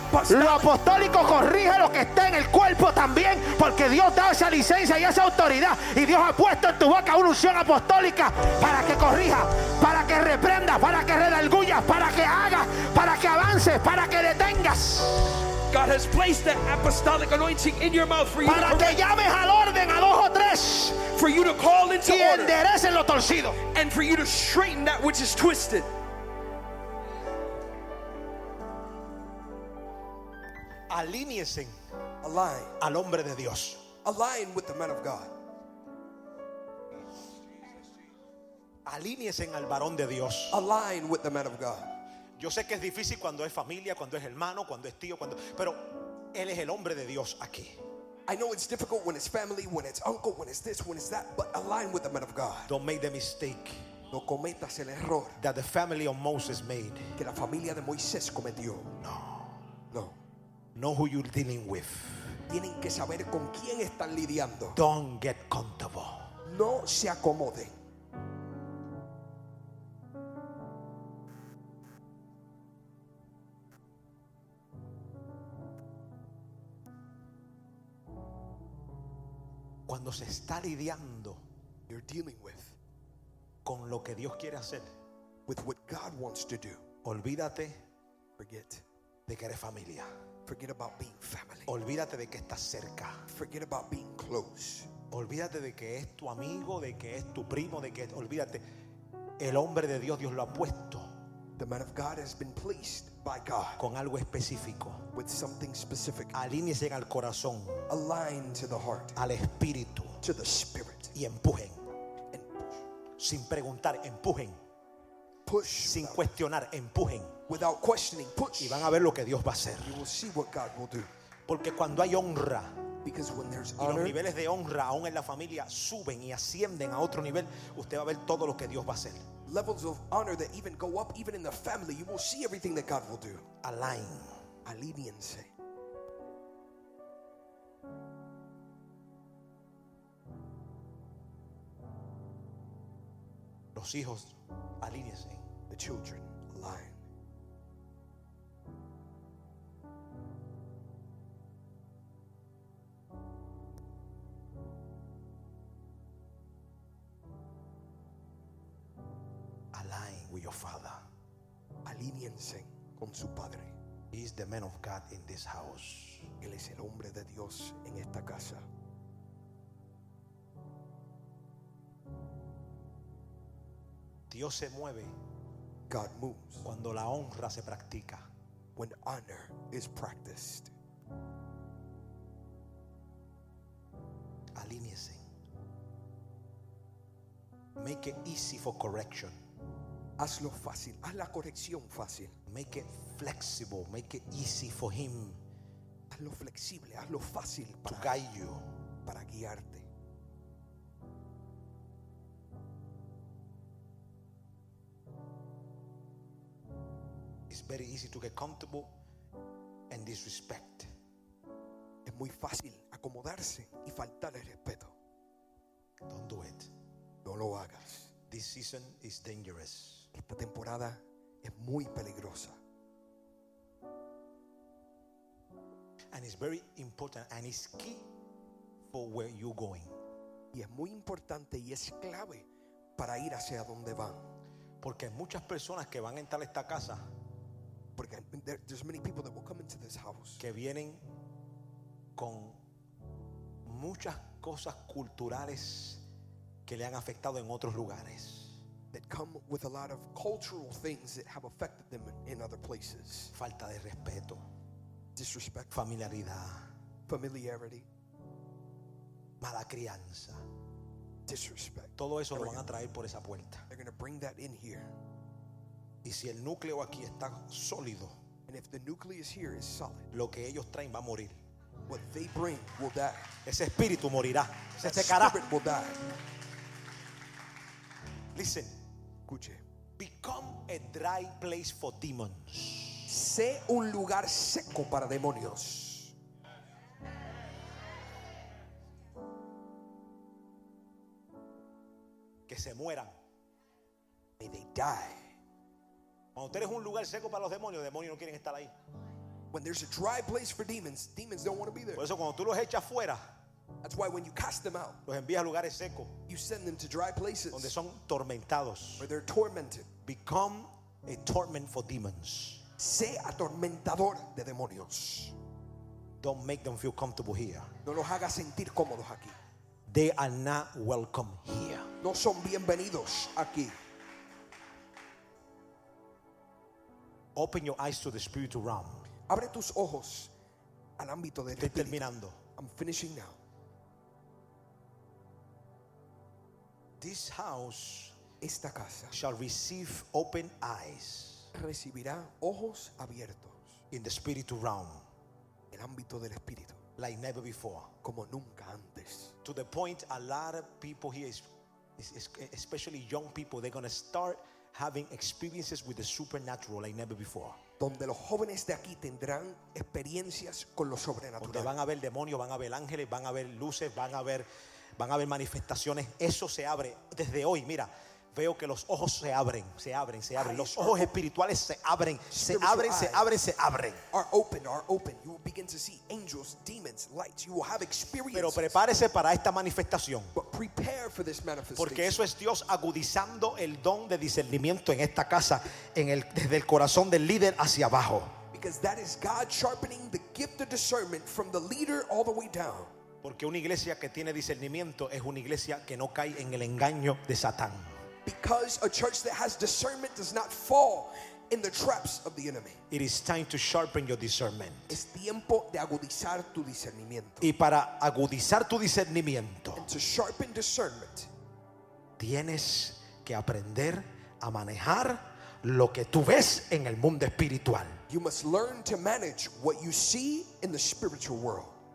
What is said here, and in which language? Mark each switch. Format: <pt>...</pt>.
<es>Lo apostólico corrige lo que está en el cuerpo también, porque Dios da esa licencia y esa autoridad, y Dios ha puesto en tu boca una unción apostólica para que corrija, para que reprenda, para que redarguya, para que haga, para que avance, para que detengas.</es> <en>God has placed that apostolic anointing in your mouth for you</en> <es>para que llames al orden a dos o tres,</es> <en>for you to call into</en> <es>y enderecen lo torcido,</es> <en>and for you to straighten that which is twisted.</en> <es>Alíñense</es> <en>align</en> <es>al hombre de Dios.</es> <en>Align with the man of God.</en> <es>Alíñense al varón de Dios.</es> <en>Align with the man of God.</en> <es>Yo sé que es difícil cuando es familia, cuando es hermano, cuando es tío, cuando pero él es el hombre de Dios aquí.</es> <en>I know it's difficult when it's family, when it's uncle, when it's this, when it's that, but align with the man of God. Don't make the mistake.</en> <es>No cometas el error</es> <en>that the family of Moses made.</en> <es>Que la familia de Moisés cometió. No. No.</es> <en>Know who you're dealing with.</en> <es>Tienen que saber con quién están lidiando.</es> <en>Don't get comfortable.</en> <es>No se acomoden. Cuando se está lidiando,</es> <en>you're dealing with,</en> <es>con lo que Dios quiere hacer,</es> <en>with what God wants to do.</en> <es>Olvídate,</es> <en>forget,</en> <es>de que eres familia.</es> <en>Forget about being family.</en> <es>Olvídate de que estás cerca.</es> <en>Forget about being close.</en> <es>Olvídate de que es tu amigo, de que es tu primo, de que olvídate. El hombre de Dios, Dios lo ha puesto.</es> <en>The man of God has been placed by God.</en> <es>Con algo específico.</es> <en>With something specific.</en> <es>Alíñese al corazón.</es> <en>Align to the heart.</en> <es>Al espíritu.</es> <en>To the spirit.</en> <es>Y empujen.</es> <en>And push.</en> <es>Sin preguntar, empujen.</es> <en>Push.</en> <es>Sin cuestionar, empujen.</es> <en>Without questioning, push.</en> <es>Y van a ver lo que Dios va a hacer.</es> <en>You will see what God will do.</en> <es>Porque cuando hay honra,</es> <en>because when there's</en> <es>y los niveles de honra aún en la familia suben y ascienden a otro nivel, usted va a ver todo lo que Dios va a hacer.</es> <en>Levels of honor that even go up even in the family, you will see everything that God will do. Align.</en> <es>Alíñense. Los hijos, alíñense.</es> <en>The children, align. Father,</en> <es>alíñense con su padre.</es> <en>He is the man of God in this house.</en> <es>Él es el hombre de Dios en esta casa. Dios se mueve.</es> <en>God moves.</en> <es>Cuando la honra se practica.</es> <en>When honor is practiced.</en> <es>Alíñense.</es> <en>Make it easy for correction.</en> <es>Hazlo fácil, haz la corrección fácil.</es> <en>Make it flexible, make it easy for him.</en> <es>Hazlo flexible, hazlo fácil para</es> <en>to guide you,</en> <es>para guiarte.</es> <en>It's very easy to get comfortable and disrespect.</en> <es>Es muy fácil acomodarse y faltar el respeto.</es> <en>Don't do it.</en> <es>No lo hagas.</es> <en>This season is dangerous.</en> <es>Esta temporada es muy peligrosa.</es> <en>And it's very important and it's key for where you're going.</en> <es>Y es muy importante y es clave para ir hacia donde van. Porque muchas personas que van a entrar a esta casa,</es> <en>there's many people that will come into this house,</en> <es>que vienen con muchas cosas culturales que le han afectado en otros lugares.</es> <en>That come with a lot of cultural things that have affected them in other places.</en> <es>Falta de respeto.</es> <en>Disrespect.</en> <es>Familiaridad.</es> <en>Familiarity.</en> <es>Mala crianza.</es> <en>Disrespect.</en> <es>Todo eso lo van a traer por esa puerta.</es> <en>They're going to bring that in here.</en> <es>Y si el núcleo aquí está sólido,</es> <en>and if the nucleus here is solid,</en> <es>lo que ellos traen va a morir.</es> <en>What they bring will die.</en> <es>Ese espíritu morirá. Ese</es> <en>spirit will die. Listen.</en> <es>Escuche.</es> <en>Become a dry place for demons.</en> <es>Sé un lugar seco para demonios. Que se mueran.</es> <en>May they die.</en> <es>Cuando usted es un lugar seco para los demonios no quieren estar ahí.</es> <en>When there's a dry place for demons, demons don't want to be there.</en> <es>Por eso cuando tú los echas fuera,</es> <en>that's why when you cast them out,</en> <es>los envías a lugares secos,</es> <en>you send them to dry places,</en> <es>donde son tormentados,</es> <en>where they're tormented. Become a torment for demons.</en> <es>Sé atormentador de demonios.</es> <en>Don't make them feel comfortable here.</en> <es>No los hagas sentir cómodos aquí.</es> <en>They are not welcome here.</en> <es>No son bienvenidos aquí.</es> <en>Open your eyes to the spiritual realm.</en> <es>Abre tus ojos al ámbito del espíritu. Terminando.</es> <en>I'm finishing now. This house,</en> <es>esta casa,</es> <en>shall receive open eyes.</en> <es>Recibirá ojos abiertos.</es> <en>In the spiritual realm.</en> <es>El ámbito del espíritu.</es> <en>Like never before.</en> <es>Como nunca antes.</es> <en>To the point, a lot of people here, especially young people, they're going to start having experiences with the supernatural like never before.</en> <es>Donde los jóvenes de aquí tendrán experiencias con lo sobrenatural. Donde van a ver demonios, van a ver ángeles, van a ver luces, van a ver manifestaciones. Eso se abre desde hoy. Mira, veo que los ojos se abren. Los ojos espirituales se abren.</es> <en>Are open. You will begin to see angels, demons, lights. You will have experiences.</en> <es>Pero prepárese para esta manifestación.</es> <en>But prepare for this manifestation.</en> <es>Porque eso es Dios agudizando el don de discernimiento en esta casa, desde el corazón del líder hacia abajo.</es> <en>Because that is God sharpening the gift of discernment from the leader all the way down.</en> <es>Porque una iglesia que tiene discernimiento es una iglesia que no cae en el engaño de Satán.</es> <en>Because a church that has discernment does not fall in the traps of the enemy. It is time to sharpen your discernment.</en> <es>Es tiempo de agudizar tu discernimiento. Y para agudizar tu discernimiento,</es> <en>and to sharpen discernment,</en> <es>tienes que aprender a manejar lo que tú ves en el mundo espiritual.</es> <en>You must learn to manage what you see in the spiritual world.</en>